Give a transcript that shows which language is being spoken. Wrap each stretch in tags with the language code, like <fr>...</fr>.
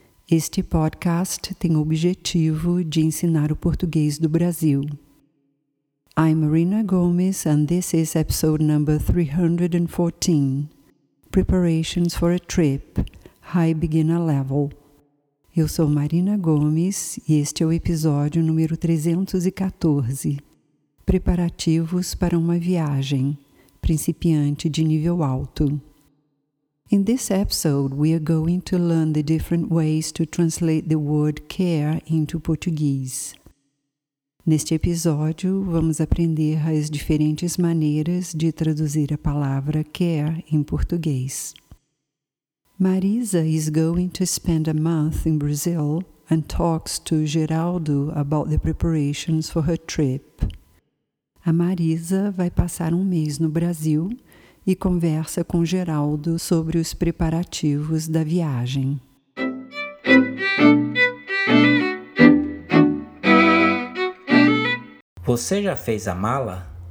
<pt>Este podcast tem o objetivo de ensinar o português do Brasil.</pt> <en>I'm Marina Gomes and this is episode number 314. Preparations for a trip, high beginner level.</en> <pt>Eu sou Marina Gomes e este é o episódio número 314. Preparativos para uma viagem, principiante de nível alto.</pt> <en>In this episode, we are going to learn the different ways to translate the word care into Portuguese.</en> <pt>Neste episódio, vamos aprender as diferentes maneiras de traduzir a palavra care em português.</pt> <en>Marisa is going to spend a month in Brazil and talks to Geraldo about the preparations for her trip.</en> <pt>A Marisa vai passar um mês no Brasil e conversa com Geraldo sobre os preparativos da viagem. Você já fez a mala?</pt>